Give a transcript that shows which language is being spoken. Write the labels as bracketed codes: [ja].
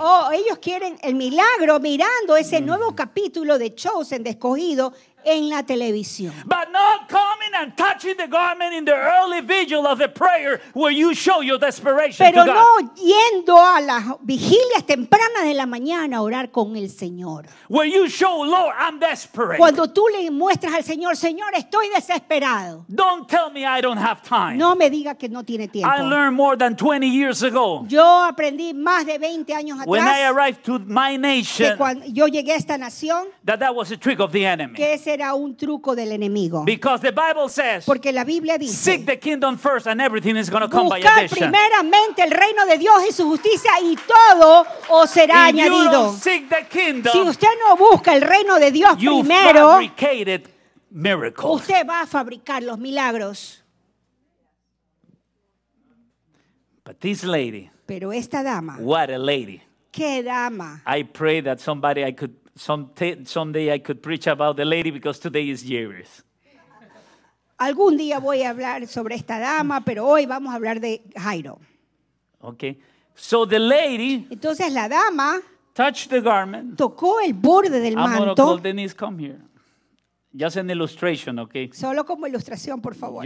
[es] Oh, ellos quieren el milagro mirando ese nuevo capítulo de Chosen, de Escogido, en la televisión. [en] But not coming and touching the garment in the early vigil of the prayer where you show your desperation. [es] Pero [en] to [es] no [en] God. [es] Yendo a las vigilias tempranas de la mañana a orar con el Señor. [en] Where you show, Lord, I'm desperate. [es] Cuando tú le muestras al Señor, Señor, estoy desesperado. [en] Don't tell me I don't have time. [es] No me diga que no tiene tiempo. [en] I learned more than 20 years ago. [es] Yo aprendí más de 20 años atrás. [en] When I arrived to my nation. [es] Que cuando yo llegué a esta nación. [en] That was a trick of the enemy. [es] Era un truco del enemigo. [en] Because the Bible says, [es] porque la Biblia dice, [en] seek the kingdom first and everything is going to come by addition. [es] Buscar primeramente el reino de Dios y su justicia y todo os será [en] If [es] añadido. [en] You don't seek the kingdom, [es] si usted no busca el reino de Dios primero, [en] fabricated miracles. [es] Usted va a fabricar los milagros. [en] But this lady, [es] pero esta dama, [en] what a lady. [es] Qué dama. [en] I pray that somebody I could someday I could preach about the lady because today is Jairus. [es] Algún día voy a hablar sobre esta dama, pero hoy vamos a hablar de Jairo. [en] Okay. So the lady. [es] Entonces la dama. [en] Touched the garment. [es] Tocó el borde del manto. [en] I'm gonna call Denise, come here. Just an illustration, okay? [es] Solo como ilustración, por favor.